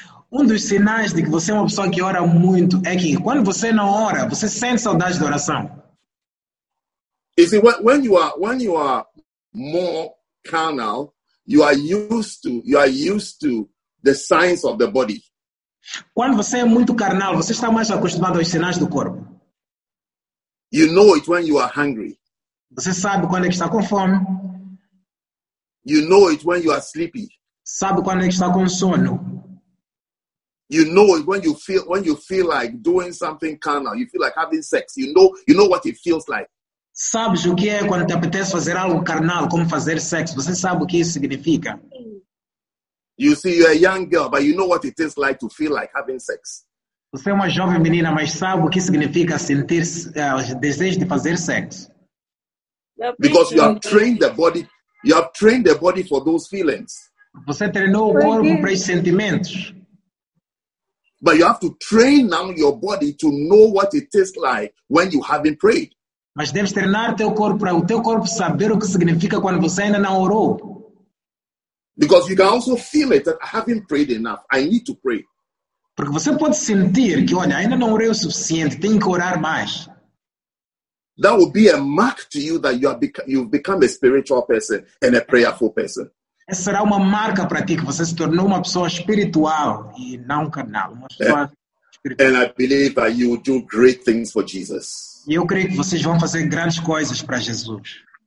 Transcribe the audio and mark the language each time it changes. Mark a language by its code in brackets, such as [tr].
[pt] Dos sinais de que você é uma pessoa que ora muito é que quando você não ora, você sente saudade de oração. [en] You see, when you are more carnal, you are used to the signs of the body. [pt] Quando você é muito carnal, você está mais acostumado aos sinais do corpo. [en] You know it when you are hungry. [pt] Você sabe quando é que está com fome. [en] You know it when you are sleepy. [pt] Sabe quando é que está com sono. [en] You know it when you feel like doing something carnal. You feel like having sex. You know what it feels like. [pt] Sabes o que é quando te apetece fazer algo carnal, como fazer sexo? Você sabe o que isso significa? [en] You see, you're a young girl, but you know what it is like to feel like having sex. [pt] Você é uma jovem menina, mas sabe o que significa sentir desejo de fazer sexo? [en] Because you have trained the body for those feelings. [pt] Você treinou o corpo para esses sentimentos. [en] But you have to train now your body to know what it is like when you haven't prayed. [pt] Mas deves treinar o teu corpo saber o que significa quando você ainda não orou. [en] Because you can also feel it that I haven't prayed enough. I need to pray. [pt] Porque você pode sentir que, olha, ainda não orei o suficiente, tenho que orar mais. [en] That will be a mark to you that you've become a spiritual person and a prayerful person. [pt] Essa será uma marca para ti que você se tornou uma pessoa espiritual e não carnal, uma pessoa espiritual. [en] And I believe that you do great things for Jesus. [pt] E eu creio que vocês vão fazer grandes coisas para Jesus.